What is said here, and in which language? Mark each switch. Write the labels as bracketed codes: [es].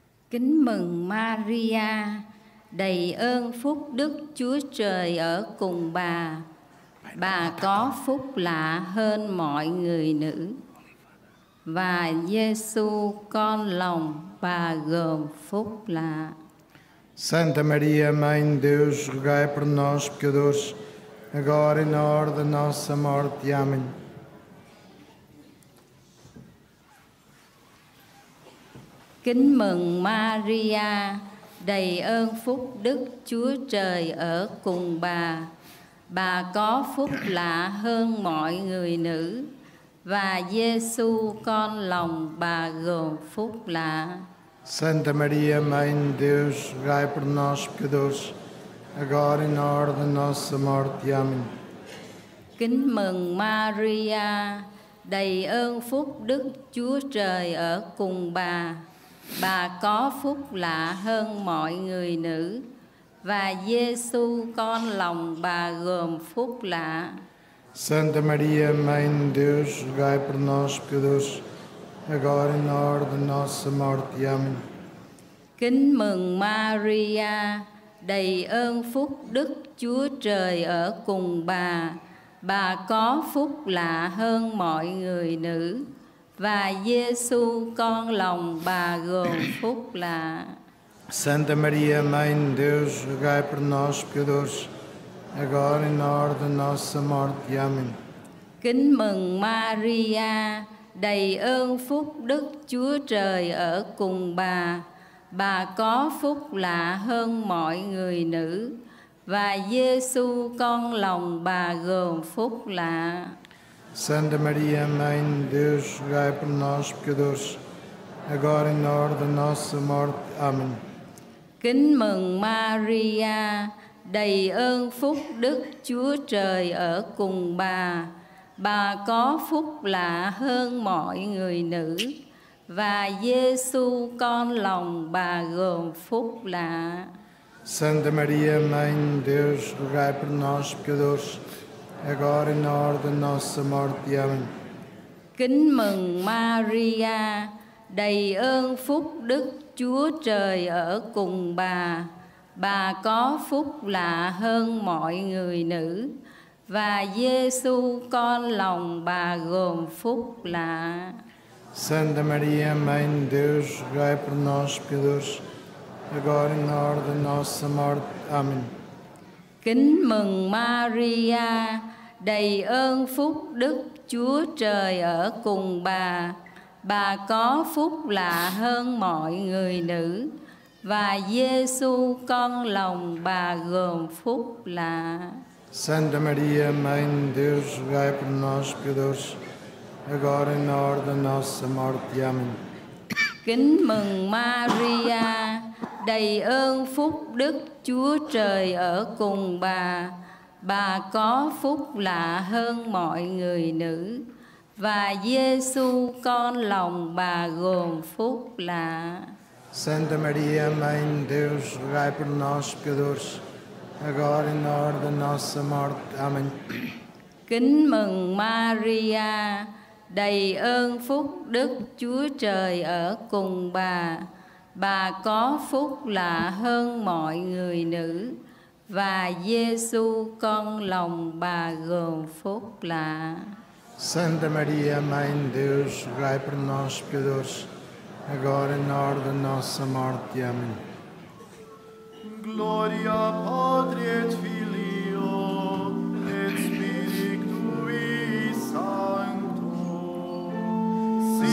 [vi] Kính mừng Maria, đầy ơn phúc Đức Chúa Trời ở cùng bà. Bà có phúc lạ hơn mọi người nữ. Và Giêsu con lòng bà gồm phúc lạ. [pt] Santa Maria, Mãe de Deus, rogai por nós, pecadores, agora e na hora da nossa morte. Amém. [vi] Kính mừng Maria, đầy ơn phúc Đức Chúa Trời ở cùng bà. Bà có phúc lạ hơn mọi người nữ. Và Giêsu con lòng bà gồm phúc lạ. [pt] Santa Maria, Mãe de Deus, rogai por nós, pecadores, agora e na hora da nossa morte. Amém. [vi] Kính mừng Maria, đầy ơn phúc Đức Chúa Trời ở cùng bà. Bà có phúc lạ hơn mọi người nữ. Và Giêsu con lòng bà gồm phúc lạ. [pt] Santa Maria, Mãe de Deus, rogai por nós, pecadores, agora e na hora da nossa morte. Amém. [vi] Kính mừng Maria, đầy ơn phúc Đức Chúa Trời ở cùng bà. Bà có phúc lạ hơn mọi người nữ. Và Giêsu con lòng bà gồm phúc lạ. [pt] Santa Maria, Mãe de Deus, rogai por nós, pecadores, agora e na hora da nossa morte. Amém. [vi] Kính mừng Maria, đầy ơn phúc Đức Chúa Trời ở cùng bà. Bà có phúc lạ hơn mọi người nữ. Và Giêsu con lòng bà gồm phúc lạ. [pt] Santa Maria, Mãe de Deus, rogai por nós, pecadores, agora e na hora da nossa morte. Amém. [vi] Kính mừng Maria, đầy ơn phúc Đức Chúa Trời ở cùng bà. Bà có phúc lạ hơn mọi người nữ. Và Giêsu con lòng bà gồm phúc lạ. [pt] Santa Maria, Mãe de Deus, rogai por nós, pecadores, agora e na hora da nossa morte. Amém. [vi] Kính mừng Maria, đầy ơn phúc Đức Chúa Trời ở cùng bà. Bà có phúc lạ hơn mọi người nữ. Và Giêsu con lòng bà gồm phúc lạ. [pt] Santa Maria, Mãe de Deus, rogai por nós, pecadores, agora e na hora da nossa morte. Amém. [vi] Kính mừng Maria, đầy ơn phúc Đức Chúa Trời ở cùng bà. Bà có phúc lạ hơn mọi người nữ. Và Giêsu con lòng bà gồm phúc lạ. [pt] Santa Maria, Mãe de Deus, rogai por nós, pecadores, agora e na hora da nossa morte. Amém. [vi] Kính mừng Maria, đầy ơn phúc Đức Chúa Trời ở cùng bà. Bà có phúc lạ hơn mọi người nữ. Và Giêsu con lòng bà gồm phúc lạ. [pt] Santa Maria, Mãe de Deus, rogai por nós, pecadores, agora e na hora da nossa morte. Amém. [vi] Kính mừng Maria, đầy ơn phúc Đức Chúa Trời ở cùng bà. Bà có phúc lạ hơn mọi người nữ. Và Giêsu con lòng bà gồm phúc lạ. [pt] Santa Maria, Mãe de Deus, rogai por nós, pecadores, agora e na hora da nossa morte. Amém. [la] Glória, Padre et Filio, et Spiritui Sancto. Si